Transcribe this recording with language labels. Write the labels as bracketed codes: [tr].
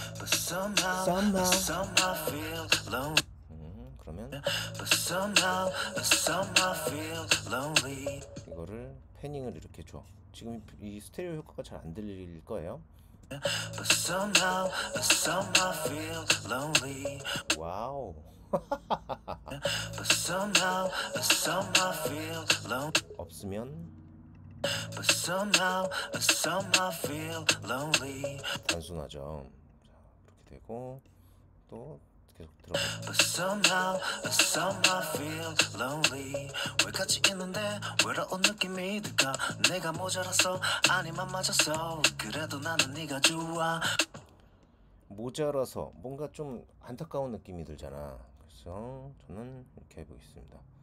[en] But somehow, somehow feel lonely. [ko] 그러면 [en] But somehow, somehow feel lonely. [ko] 이거를 패닝을 이렇게 줘. 지금 이 스테레오 효과가 잘 안 들릴 거예요. [en] But somehow, somehow feel lonely. [ko] 와우. [en] But somehow, somehow feel lonely. [ko] 없으면 [en] But somehow, somehow feel lonely. [ko] 단순하죠. 자, 이렇게 되고 또 [en] But somehow, somehow feel lonely. [ko] 왜 같이 있는데 외로운 느낌이 들까? 내가 모자라서 아니면 맞았어. 그래도 나는 네가 좋아. 모자라서 뭔가 좀 안타까운 느낌이 들잖아. 그래서 저는 이렇게 해보겠습니다.